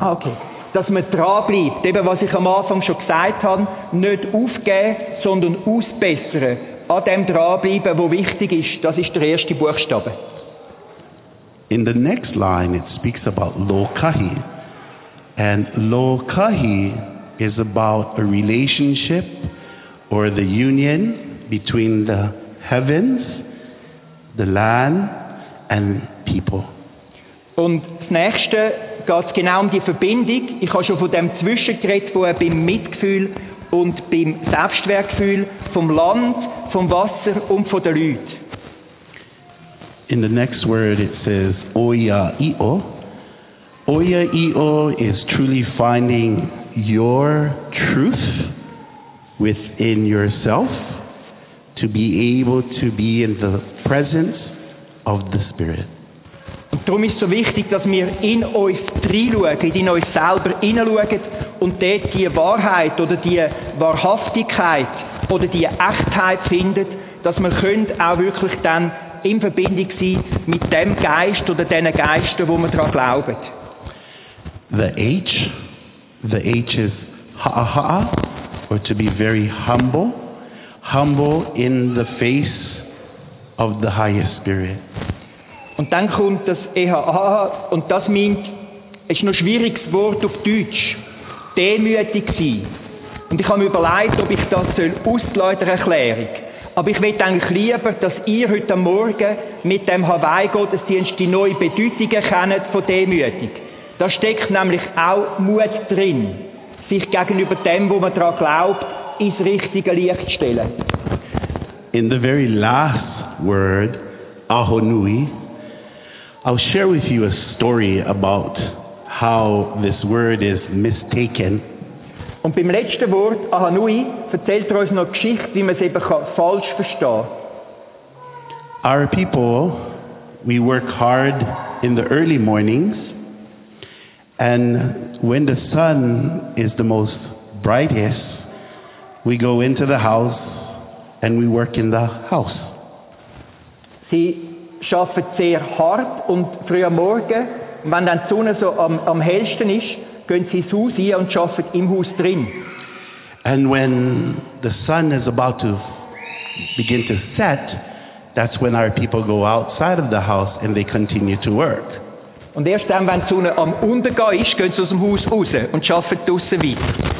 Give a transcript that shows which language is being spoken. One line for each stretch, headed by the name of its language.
German: Ah, okay. Dass man dranbleibt. Eben, was ich am Anfang schon gesagt habe, nicht aufgeben, sondern ausbessern. An dem dranbleiben, wo wichtig ist. Das ist der erste Buchstabe.
English: In the next line, it speaks about lokahi. And lokahi is about a relationship or the union between the heavens, the land and people.
German: Und das nächste geht genau um die Verbindung. Ich habe schon von dem Zwischengerät, wo er beim Mitgefühl und beim Selbstwertgefühl vom Land, vom Wasser und von den Leuten.
English: In the next word it says oya io. Oya io is truly finding your truth within yourself to be able to be in the presence of the Spirit.
German: Darum ist es so wichtig, dass wir in uns reinschauen, in uns selber hineinschauen und dort die Wahrheit oder die Wahrhaftigkeit oder die Echtheit finden, dass wir auch wirklich dann in Verbindung sein mit dem Geist oder den Geistern, wo wir daran glauben.
English: The H is ha'aha, or to be very humble. Humble in the face of the highest spirit.
German: Und dann kommt das EHA, und das meint, es ist noch ein schwieriges Wort auf Deutsch. Demütig sein. Und ich habe mir überlegt, ob ich das soll ausleiten, Erklärung. Aber ich möchte eigentlich lieber, dass ihr heute Morgen mit dem Hawaii-Gottesdienst die neue Bedeutung erkennt von Demütig. Da steckt nämlich auch Mut drin, sich gegenüber dem, wo man daran glaubt, ins richtige Licht zu stellen.
English: In the very last word, Ahonui, I'll share with you a story about how this word is mistaken.
German: Und beim letzten Wort, Ahonui, erzählt er uns noch Geschichte, wie man es eben falsch verstehen kann.
English: Our people, we work hard in the early mornings, and when the sun is the most brightest, we go into the house, and we work in the house.
German: Sie schaffen sehr hart und früh am Morgen, und wenn dann die Sonne so am hellsten ist, gehen sie ins Haus ein und schaffen im Haus drin.
English: And when the sun is about to begin to set, that's when our people go outside of the house and they continue to work.
German: Und erst dann, wenn die Sonne am Untergehen ist, gehen sie aus dem Haus raus und schaffen draußen weiter.